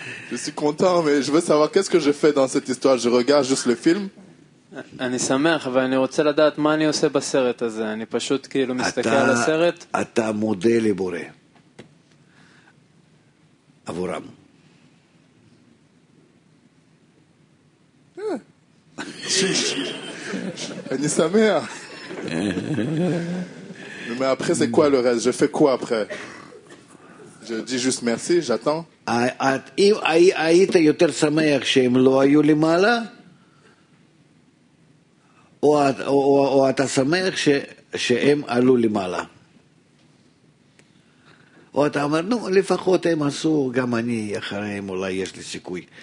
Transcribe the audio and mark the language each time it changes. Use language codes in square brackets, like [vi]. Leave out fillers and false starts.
[fr] Je suis content, mais je veux savoir qu'est-ce que j'ai fait dans cette histoire. Je regarde juste le film. [he] אני שמח, אבל אני רוצה לדעת מה אני עושה בסרט הזה. אני פשוט כאילו מסתכל על הסרט. אתה מודה לבורא. עבורם. אני שמח. [fr] Mais après, c'est quoi le reste? Je fais quoi après? Je dis juste merci, j'attends. [he] אם היית יותר שמח שהם לא היו למעלה, או אתה שמח שהם עלו למעלה? או אתה אומר, נו, לפחות הם עשו, גם אני אחריהם אולי יש לי סיכוי.